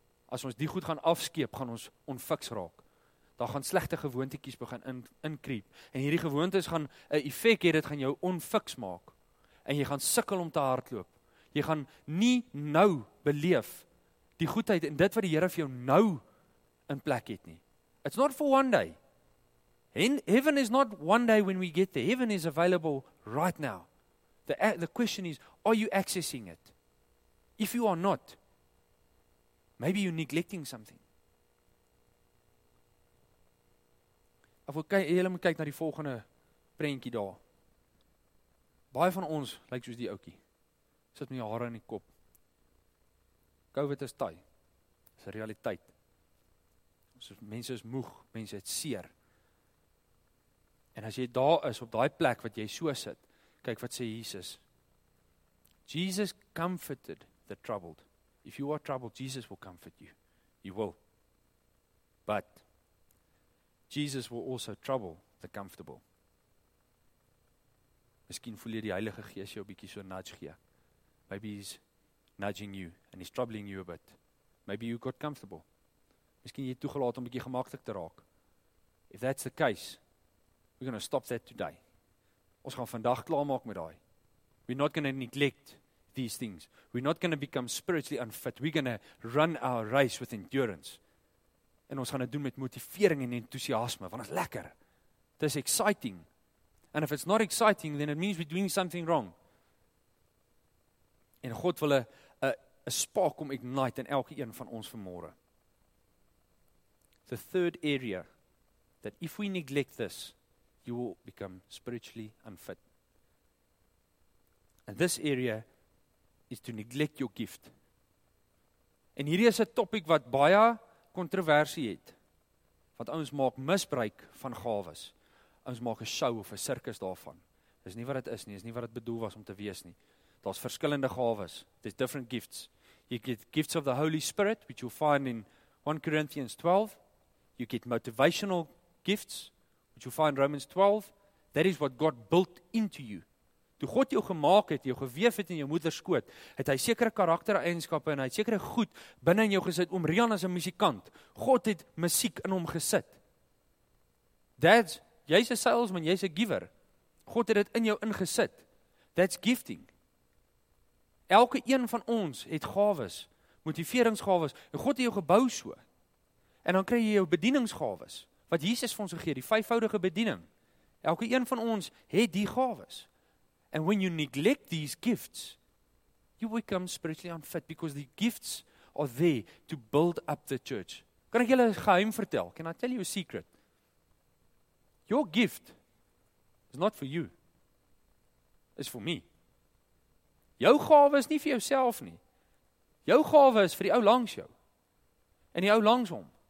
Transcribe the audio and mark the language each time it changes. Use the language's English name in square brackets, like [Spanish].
[Afrikaans] As ons die goed gaan afskeep, gaan ons onfiks raak. Daar gaan slegte gewoontetjies begin inkriep. En hierdie gewoontes gaan 'n effek hê, dit gaan jou onfiks maak. En jy gaan sukkel om te hardloop. Jy gaan nie nou beleef die goedheid en dit wat die Here vir jou nou in plek het nie. [English] It's not for one day. Heaven is not one day when we get there. Heaven is available right now. The question is, are you accessing it? If you are not, maybe you're neglecting something. [Afrikaans] Of jy moet kyk na die volgende prentjie daar. Baie van ons lyk soos die ouetjie. Sit met die hare in die kop. COVID is taai. Dis 'n realiteit. Ons mense is moeg, mense het seer. En as jy daar is op daai plek wat jy so sit, kyk wat sê Jesus. [English] Jesus comforted the troubled. If you are troubled, Jesus will comfort you. He will. But Jesus will also trouble the comfortable. [Afrikaans] Miskien voel jy die Heilige Gees jou 'n bietjie so nudge gee. [English] Maybe he's nudging you and he's troubling you a bit. Maybe you got comfortable. [Afrikaans] Miskien jy toegelaat om 'n bietjie gemaklik te raak. [English] If that's the case, we're going to stop that today. [Afrikaans] Ons gaan vandag klaarmaak met daai. [English] We're not going to neglect these things. We're not going to become spiritually unfit. We're going to run our race with endurance. [Afrikaans] En ons gaan dit doen met motivering en entoesiasme, want dit is lekker. [English] It is exciting. And if it's not exciting, then it means we're doing something wrong. [Afrikaans] En God wil 'n spark om ignite in elke een van ons vanmôre. [English] The third area that if we neglect this, you will become spiritually unfit. And this area is to neglect your gift. [Afrikaans] En hierdie is 'n topik wat baie kontroversie het. Want ouens maak misbruik van gawes. Ons maak 'n show of 'n sirkus daarvan. Dis nie wat dit is nie, dis nie wat dit bedoel was om te wees nie. Daar's verskillende gawes. [English] There's different gifts. You get gifts of the Holy Spirit, which you'll find in 1 Corinthians 12. You get motivational gifts, which you'll find in Romans 12. That is what God built into you. [Afrikaans] Toe God jou gemaak het, jou gewef het in jou moeder skoot, het hy sekere karaktereienskappe en hy het sekere goed binne in jou gesit. Oom Rian is 'n musikant. God het musiek in hom gesit. Dad's, jy's 'n salesman, jy's 'n giver. God het dit in jou ingesit. [English] That's gifting. [Afrikaans] Elke een van ons het gawes, motiveringsgawes, en God het jou gebou so. En dan kry jy jou bedieningsgawes, wat Jesus vir ons gegee, die vyfvoudige bediening. Elke een van ons het die gawes. [English] And when you neglect these gifts, you become spiritually unfit because the gifts are there to build up the church. [Afrikaans] Kan ek julle 'n geheim vertel? [English] Can I tell you a secret? Your gift is not for you. It's for me. [Afrikaans] Jou gawe is nie vir jouself nie. Jou gawe is vir die ou langs jou. En die ou langs hom.